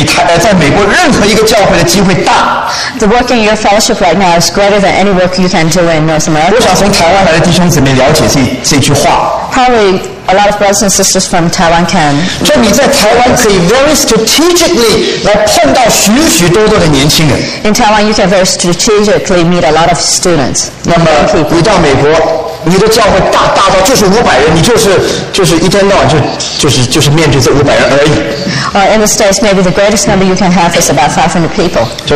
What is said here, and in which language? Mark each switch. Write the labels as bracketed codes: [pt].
[zh] 说你在这里校园团契工作的机会绝对比在美国任何一个教会的机会大。 [en] The work in your fellowship right now is greater than any work you can do in North America. [zh] 我想从台湾来的弟兄姊妹了解这句话。 [en] Probably a lot of brothers and sisters from Taiwan can. [zh] 说你在台湾可以 [en] very strategically [zh] 来碰到许许多多的年轻人。 [en] In Taiwan, you can very strategically meet a lot of students. [zh] 那么你到美国。你的教会大到就是五百人，你就是一天到晚就是面对这五百人而已。 [en] In the States, maybe the greatest number you can have is about 500 people.